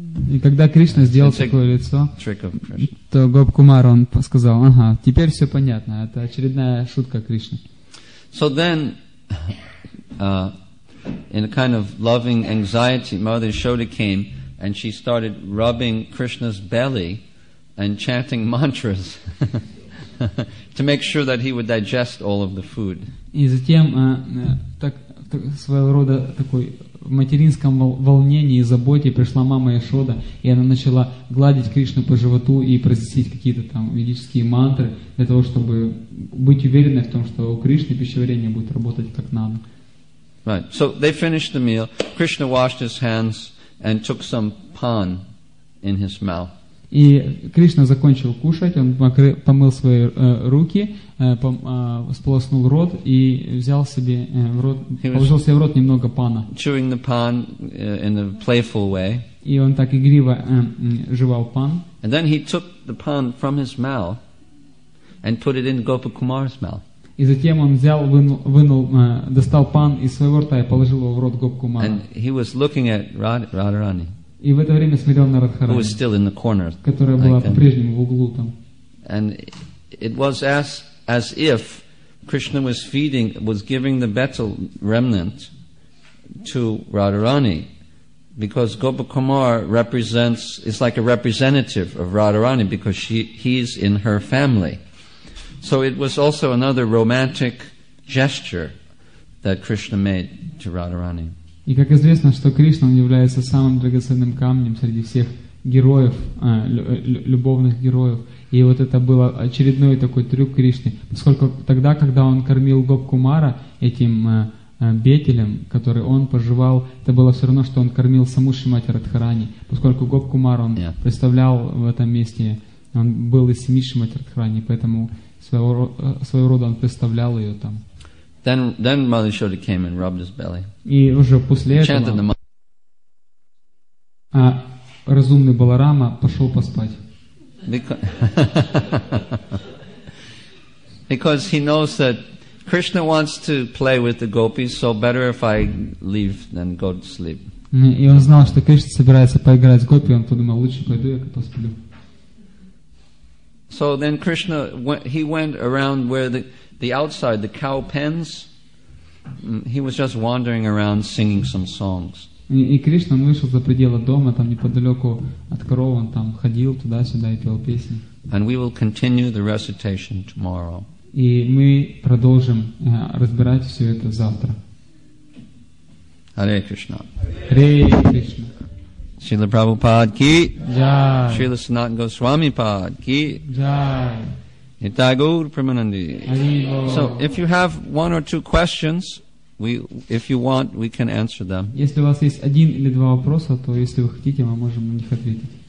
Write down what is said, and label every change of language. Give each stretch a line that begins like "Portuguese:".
Russian: И когда Кришна сделал такое лицо, то Гопа Кумар, он сказал, теперь все понятно, это очередная шутка Кришны.
English: So then, in a kind of loving anxiety, Mother Yashoda came, and she started rubbing Krishna's belly and chanting mantras to make sure that he would digest all of the food.
Russian: И затем, своего рода такой в материнском волнении и заботе пришла мама Яшода, и она начала гладить Кришну по животу и произносить какие-то там ведические мантры для того, чтобы быть уверенной в том, что у Кришны пищеварение будет работать как надо.
English: Right. So they finished the meal. Krishna washed his hands and took some pan in his mouth.
Russian: И Кришна закончил кушать, он помыл свои руки, сполоснул рот и взял себе в рот немного пана.
English: Chewing the pan in a playful way.
Russian: И он так игриво жевал пан.
English: And then he took the pan from his mouth and put it in Gopa Kumar's mouth.
Russian: И затем он взял, вынул, достал пан из своего рта и положил его в рот Гопа Кумара.
English: And he was looking at Radharani.
Russian: И в это время смотрел на Радхарани,
English: who was still in the corner,
Russian: которая была like по-прежнему в углу там.
English: And it was as if Krishna was giving the betel remnant to Radharani, because Gopa Kumar is like a representative of Radharani, because he's in her family. So it was also another romantic gesture that Krishna made to Radharani.
Russian: И как известно, что Кришна является самым драгоценным камнем среди всех героев, любовных героев. И вот это был очередной такой трюк Кришны. Поскольку тогда, когда он кормил Гопа Кумара этим бетелем, который он пожевал, это было все равно, что он кормил саму Шримати Радхарани. Поскольку Гопа Кумар, он представлял в этом месте, он был из семьи Шримати Радхарани, поэтому своего рода он представлял ее там.
English: Then Mother Yashoda came and rubbed his belly.
Russian: И уже после
English: chanted
Russian: этого
English: the
Russian: разумный Баларама пошел поспать.
English: Because he knows that Krishna wants to play with the gopis, so better if I leave than go to sleep.
Russian: И он знал, что Кришна собирается поиграть с гопи, он подумал, лучше пойду я посплю.
English: So then Krishna went around where the outside, the cow pens, he was just wandering around singing some songs.
Russian: И Кришна вышел за пределы дома, там неподалеку от коров, он там ходил туда-сюда и пел песни.
English: And we will continue the recitation tomorrow.
Russian: И мы продолжим разбирать все это завтра.
Sanskrit: Hare Krishna. Hare Krishna. Srila Prabhupada ki. Jai. Srila Sanatana Goswami Pad ki. Jai.
English: So, if you have one or two questions, if you want, we can answer them.
Russian: Если у вас есть один или два вопроса, то если вы хотите, мы можем на них ответить.